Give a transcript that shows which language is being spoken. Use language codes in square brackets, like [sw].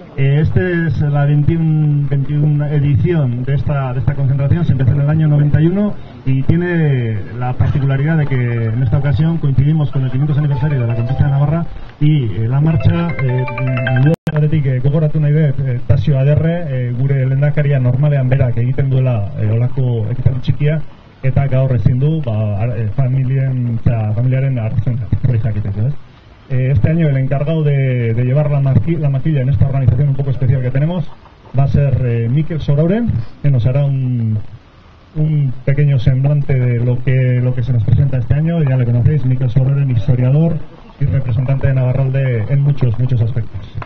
[es] Este es la 21 edición de esta concentración. Se empezó en el año 91 y tiene la particularidad de que en esta ocasión coincidimos con el 500 aniversario de la conquista de Navarra y la marcha. [eu] Horretik, gogoratu nahi dut, Tasio Aderre, gure lehendakaria normalean berak egiten duela olako ekitaldi txikia, eta gaur ezin du, familiaren arrazoengatik. [es] Este año el encargado de llevar la maquilla en esta organización un poco especial que tenemos va a ser Mikel Sorauren, que nos hará un pequeño semblante de lo que se nos presenta este año. Ya le conocéis, Mikel Sorauren, historiador y representante de Navarralde en muchos, muchos aspectos.